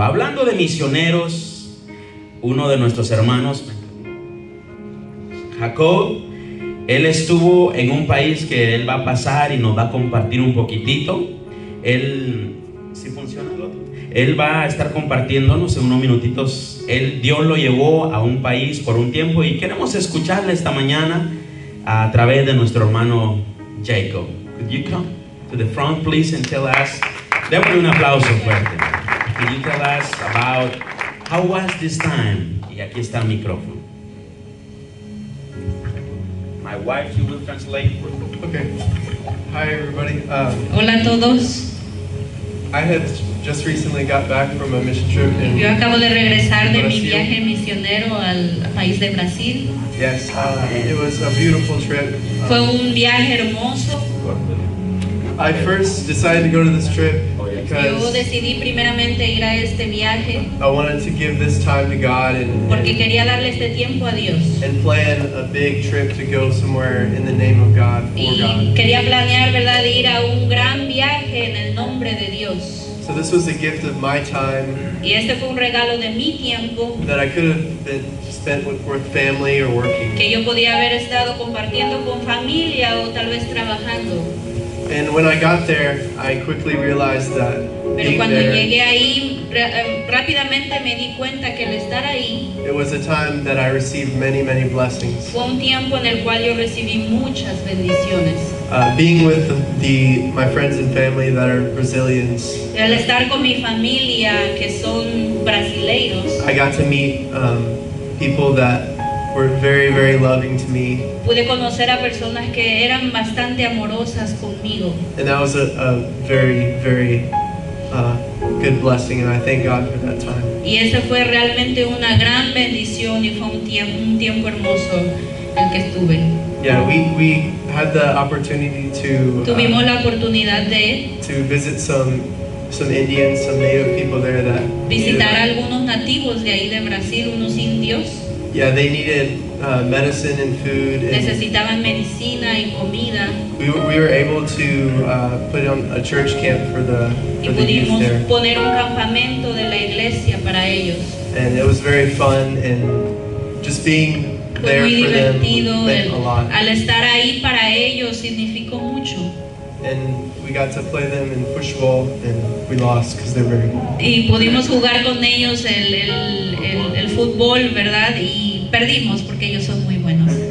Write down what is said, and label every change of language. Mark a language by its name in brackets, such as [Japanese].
[Spanish] Hablando de misioneros, uno de nuestros hermanos, Jacob, él estuvo en un país que él va a pasar y nos va a compartir un poquitito. Él, ¿sí funciona el otro? Él va a estar compartiéndonos en unos minutitos. Él, Dios lo llevó a un país por un tiempo y queremos escucharle esta mañana a través de nuestro hermano Jacob. [English] Could you come to the front, please, and tell us? [Spanish] Démosle un aplauso fuerte. [English] Could you tell us about how was this time? [Spanish] Y aquí está el micrófono. [English] My wife, she will translate. Okay. Hi, everybody. [Spanish] Hola a todos. [English] I had just recently got back from a mission trip in [Spanish] Brazil. Yo acabo de regresar de mi viaje misionero al país de Brasil. [English] Yes, it was a beautiful trip. [Spanish] Fue un viaje hermoso. [English] I first decided to go to this trip because [Spanish] yo decidí primeramente ir a este viaje. [English] I wanted to give this time to God and [Spanish] porque quería darle este tiempo a Dios. [English] And plan a big trip to go somewhere in the name of God for [Spanish] y [English] God. [Spanish] Quería planear, verdad, ir a un gran viaje en el nombre de Dios. [English] So this was a gift of my time. [Spanish] Y este fue un regalo de mi tiempo. [English] That I could have been spent with family or working. [Spanish] Que yo podía haber estado compartiendo con familia o tal vez trabajando. [English] And when I got there, I quickly realized that it was a time that I received many, many blessings. [Spanish] Fue un tiempo en el cual yo recibí muchas bendiciones. [English] Being with my friends and family that are Brazilians, [Spanish] el estar con mi familia, que son brasileiros, [English] I got to meet people that were very, very loving to me. [Spanish] Pude conocer a personas que eran bastante amorosas conmigo. [English] And that was a very, very good blessing, and I thank God for that time. [Spanish] Y ese fue realmente una gran bendición y fue un tiempo hermoso el que estuve. [English] Yeah, we had the opportunity to [Spanish] tuvimos la oportunidad de [English] to visit some Indians, some native people there that [Spanish] visitar algunos nativos de ahí de Brasil, unos indios. [English] Yeah, they needed medicine and food. And [Spanish] necesitaban medicina y comida. [English] We were able to put on a church camp for the [Spanish] y [English] for the youth there. [Spanish] Poner un campamento de la iglesia para ellos. [English] And it was very fun, and just being there for them meant a lot. [Spanish] Al estar ahí para ellos significó mucho. [English] And we got to play them in football, and we lost because they're very good. [Spanish] Y pudimos jugar con ellos el fútbol, verdad, y perdimos porque ellos son muy buenos.